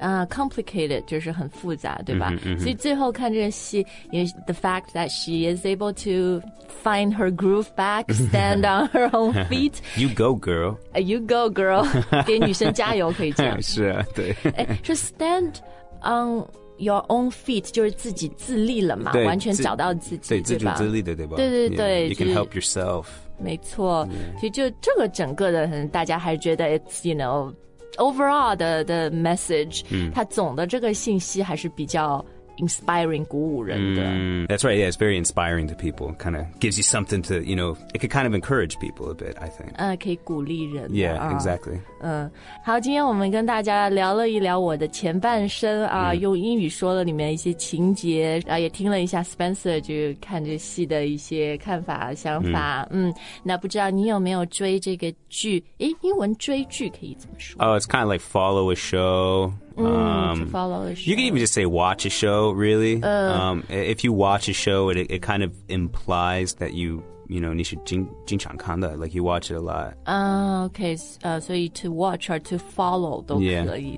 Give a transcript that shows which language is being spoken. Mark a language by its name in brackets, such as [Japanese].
[Chinese] Complicated 就是很复杂对吧 [English] mm-hmm, mm-hmm. [Chinese] 所以最后看这个戏 [English] The fact that she is able to find her groove back Stand on her own feet You go girl You go girl [Chinese] 给女生加油可以这样是啊对是 [English] stand on your own feet [Chinese] 就是自己自立了嘛完全找到自己 对, 对自主自立的对吧对对对、 [English] yeah. You can help yourself [Chinese] 没错、yeah. 所以就这个整个的大家还觉得 [English] It's you know overall [Chinese] 的 message、 [English] mm. [Chinese] 它总的这个信息还是比较 inspiring 鼓舞人的、 [English] mm. That's right, yeah, it's very inspiring to people kind of gives you something to, you know it could kind of encourage people a bit, I think [Chinese] 可以鼓励人 [English] Yeah, exactly [Chinese] 好今天我们跟大家聊了一聊我的前半生、用英语说了里面一些情节、也听了一下 Spencer 就看这戏的一些看法想法、那不知道你有没有追这个剧英文追剧可以怎么说 [English] Oh, it's kind of like follow a show、 to follow a show You can even just say watch a show, really、If you watch a show, it kind of implies that you know, [Chinese] 你是经常看的 [English] like you watch it a lot. Okay, so to watch or to follow [Chinese] 都可以的。